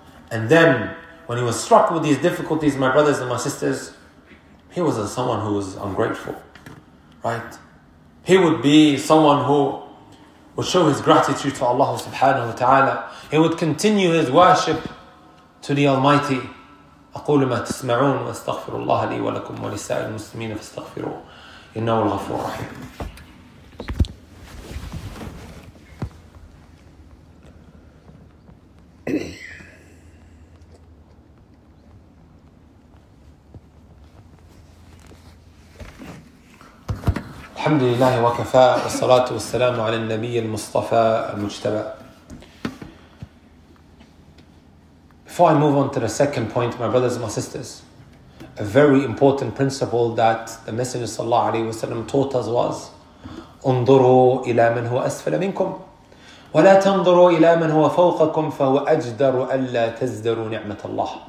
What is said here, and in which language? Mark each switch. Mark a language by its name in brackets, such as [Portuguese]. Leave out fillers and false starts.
[English] And then, when he was struck with these difficulties, my brothers and my sisters, he wasn't someone who was ungrateful. Right? He would be someone who would show his gratitude to Allah subhanahu wa ta'ala. He would continue his worship to the Almighty. [Arabic] أقول ما تسمعون وأستغفر الله لي ولكم ولسائر المسلمين فاستغفروه إنه الغفور الرحيم. الحمد لله وكفى والصلاة والسلام على النبي المصطفى المجتبى. [English] Before I move on to the second point, my brothers and my sisters, a very important principle that the Messenger sallallahu alaihi wasallam taught us was, [Arabic] انظروا إلى من هو أسفل منكم ولا تنظروا إلى من هو فوقكم فهو أجدر ألا تزدروا نعمة الله.